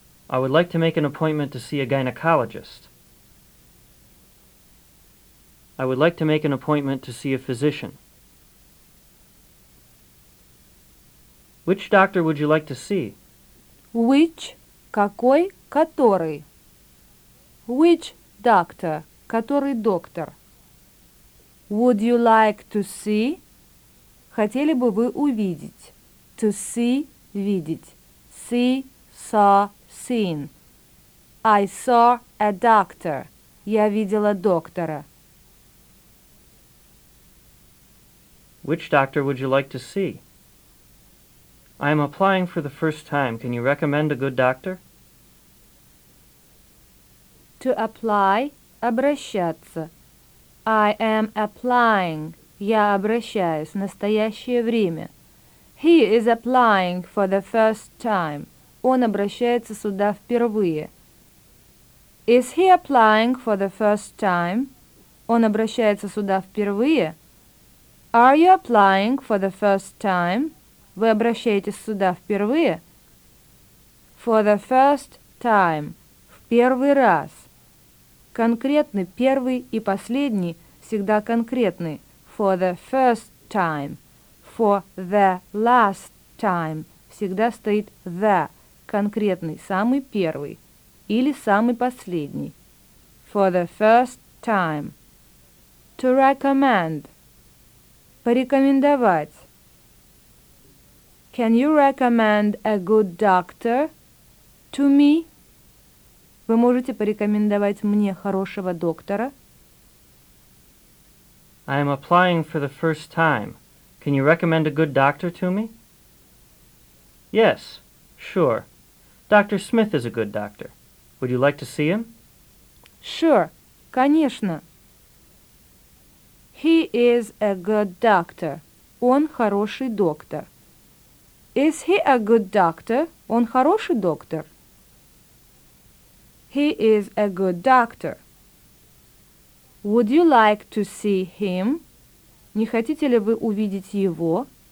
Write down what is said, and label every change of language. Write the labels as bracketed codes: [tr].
[en] I would like to make an appointment to see a gynecologist. I would like to make an appointment to see a physician. Which doctor would you like to see? Which, [ru] какой, который? [en] Which doctor, [ru] который доктор? [en] Would you like to see? [ru] Хотели бы вы увидеть? [en] To see, [ru] видеть. [en] See, saw, seen. I saw a doctor. [ru] Я видела доктора. [en] Which doctor would you like to see? I am applying for the first time. Can you recommend a good doctor? To apply, [ru] обращаться. [en] I am applying. [ru] Я обращаюсь. Настоящее время. [en] He is applying for the first time. [ru] Он обращается сюда впервые. [en] Is he applying for the first time? [ru] Он обращается сюда впервые. [en] Are you applying for the first time? [ru] Вы обращаетесь сюда впервые? [en] For the first time. [ru] В первый раз. Конкретный первый и последний всегда конкретный. [en] For the first time. For the last time. [ru] Всегда стоит the. Конкретный, самый первый. Или самый последний. [en] For the first time. To recommend. [ru] Порекомендовать. [en] Can you recommend a good doctor to me? [ru] Вы можете порекомендовать мне хорошего доктора? [en] I am applying for the first time. Can you recommend a good doctor to me? Yes, sure. Dr. Smith is a good doctor. Would you like to see him? Sure, [ru] конечно. [en] He is a good doctor. [ru] Он хороший доктор. [en] Is he a good doctor? [ru] Он хороший доктор. [en] He is a good doctor. Would you like to see him? [ru] Не хотите ли вы увидеть его?